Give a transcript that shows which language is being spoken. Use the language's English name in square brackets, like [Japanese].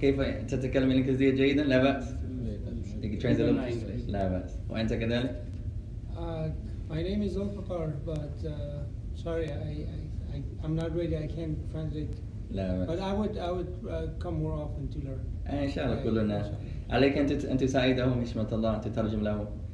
[Arabic] كيف تتكلم الإنجليزية جيدا؟ لا بأس. [English] You can translate it. [Arabic] لا بأس. وأنت كذلك؟ [English] My name is Zulfiqar, but sorry, I'm not ready. I can't translate. But I would come more often to learn. [Arabic] Inshallah, كلنا. عليك أن تساعدهم إشمت الله أن تترجم لهم.